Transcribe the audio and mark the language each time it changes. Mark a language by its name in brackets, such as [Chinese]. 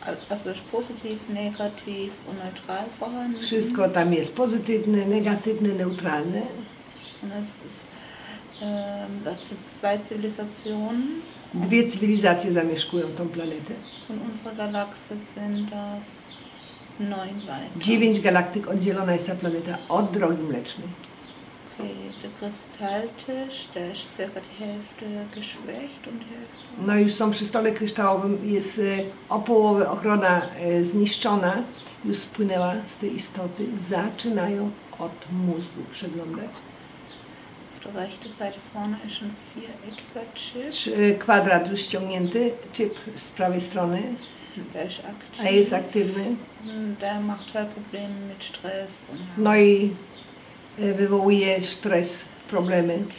[German] Also ist positiv, negativ und neutral vorhanden. [Polish] Wszystko tam jest pozytywne, negatywne, neutralne. [German] Und das ist, das sind zwei Zivilisationen. [Polish] Dwie cywilizacje zamieszkują tą planetę. [German] Von unserer Galaxie sind das 9 weiter. [Polish] 9 galaktyk oddzielona jest ta planeta od Drogi Mlecznej. [German] Der Kristalltisch, der ist circa die Hälfte geschwächt und Hälfte. [Polish] No już są przy stole kryształowym, jest o połowę ochrona zniszczona, już spłynęła z tej istoty, zaczynają od mózgu przeglądać. [German] Auf der rechten Seite vorne ist ein viereckiger Chip. [Polish] Kwadrat już ściągnięty, chip z prawej strony. [German] Der ist aktiv. [Polish] A jest aktywny. [German] Der macht halt Probleme mit Stress. [Polish] No i wywołuje stres, problemy.